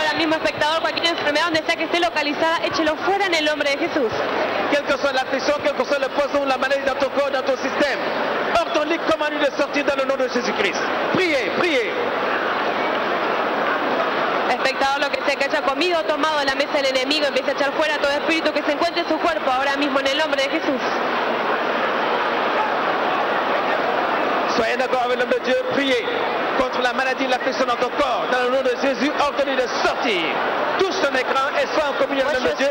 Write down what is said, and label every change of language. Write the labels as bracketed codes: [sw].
[es] Espectador, cualquier enfermedad donde sea que esté localizada, échelo fuera en el nombre de Jesús. [fr] Quel que soit la prisión, quel que soit le poison, la maladie dans ton corps, dans ton système, ordonne-lui comment lui de sortir dans le nom de Jésus-Christ. Priez, priez. [es] Espectador, lo que sea que haya comido o tomado en la mesa del enemigo, empiece a echar fuera todo espíritu que se encuentre en su cuerpo ahora mismo en el nombre de Jesús. [fr] Soyez d'accord avec l'homme de Dieu, priez contre la maladie, l'affliction dans ton corps, dans le nom de Jésus, ordonnez de sortir. Touche ton écran et sois en communion avec l'homme de Dieu.